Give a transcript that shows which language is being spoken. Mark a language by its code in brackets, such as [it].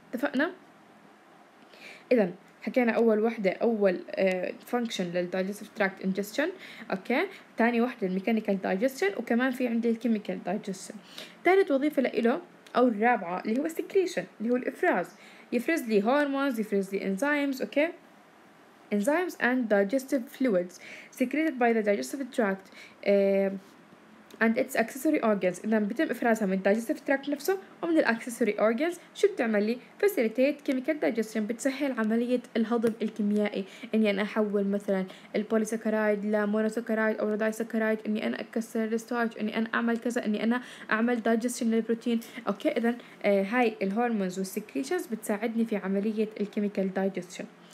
[ar] اتفقنا؟ إذا حكينا أول وحدة، أول function للdigestive tract ingestion، أوكي، تاني وحدة الميكانيكال digestion، وكمان في عندي الكيميكال digestion. تالت وظيفة لإله أو الرابعة اللي هو secretion اللي هو الإفراز. يفرز لي hormones, يفرز لي enzymes, okay? [en] Enzymes and digestive fluids secreted by the digestive tract and its accessory organs. [ar] إذا بيتم إفرازها من digestive tract نفسه ومن [en] the accessory organs. [ar] شو بتعمل لي؟ [en] facilitate chemical digestion, [ar] بتسهل عملية الهضم الكيميائي. إني أنا أحول مثلا البوليسكرايد لمونوسكرايد أو الدايسكرايد, إني أنا أكسر الستارج, إني أنا أعمل كذا, إني أنا أعمل digestion للبروتين. أوكي, إذا هاي الهرمونز والسكريشنز بتساعدني في عملية الكيميكال digestion.